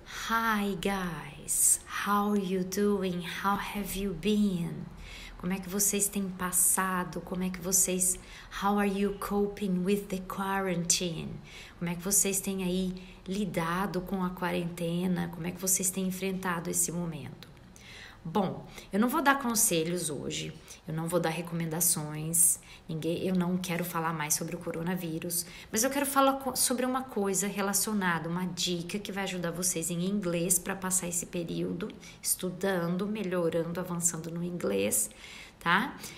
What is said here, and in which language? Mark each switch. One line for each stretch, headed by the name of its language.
English: Hi guys, how are you doing? How have you been?
Portuguese: Como é que vocês têm passado? Como é que vocês...
English: How are you coping with the quarantine?
Portuguese: Como é que vocês têm aí lidado com a quarentena? Como é que vocês têm enfrentado esse momento? Bom, eu não vou dar conselhos hoje. Eu não vou dar recomendações. Ninguém, eu não quero falar mais sobre o coronavírus. Mas eu quero falar sobre uma coisa relacionada, uma dica que vai ajudar vocês em inglês para passar esse período estudando, melhorando, avançando no inglês, tá?